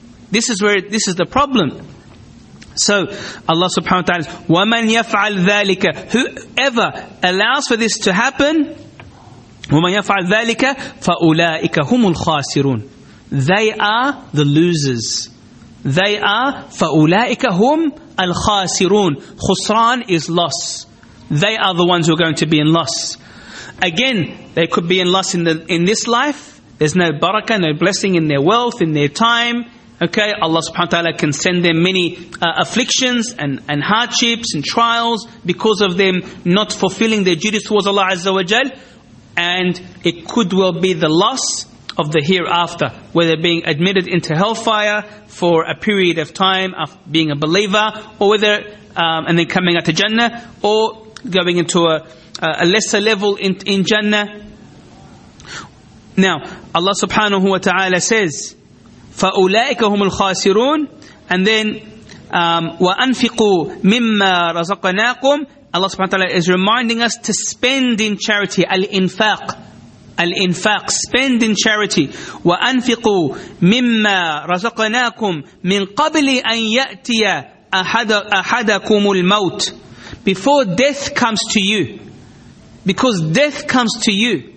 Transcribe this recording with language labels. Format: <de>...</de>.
<en>This is the problem. So Allah subhanahu wa ta'ala,</en> <ar>وَمَنْ يَفْعَلْ ذَٰلِكَ,</ar> <en>whoever allows for this to happen,</en> <ar>وَمَنْ يَفْعَلْ ذَٰلِكَ فَأُولَٰئِكَ هُمُ الْخَاسِرُونَ,</ar> <en>they are the losers. They are</en> <ar>فَأُولَٰئِكَ هُمْ الْخَاسِرُونَ.</ar> <en>خُسْرَان is loss. They are the ones who are going to be in loss. Again, they could be in loss in this life. There's no barakah, no blessing in their wealth, in their time. Okay, Allah subhanahu wa ta'ala can send them many afflictions and hardships and trials because of them not fulfilling their duties towards Allah Azza wa Jal. And it could well be the loss of the hereafter, where they're being admitted into hellfire for a period of time of being a believer, or whether and then coming out to Jannah, or going into a lesser level in Jannah. Now, Allah subhanahu wa ta'ala says,</en> <ar>فَأُولَٰئِكَ هُمُ الْخَاسِرُونَ.</ar> <en>And then,</en> <ar>وَأَنْفِقُوا مِمَّا رَزَقَنَاكُمْ.</ar> <en>Allah subhanahu wa ta'ala is reminding us to spend in charity. Al-infaq. Al-infaq. Spend in charity.</en> <ar>وَأَنْفِقُوا مِمَّا رَزَقَنَاكُمْ مِنْ قَبْلِ أَنْ يَأْتِيَ أَحَدَكُمُ الْمَوْتِ.</ar> <en>Before death comes to you. Because death comes to you.</en>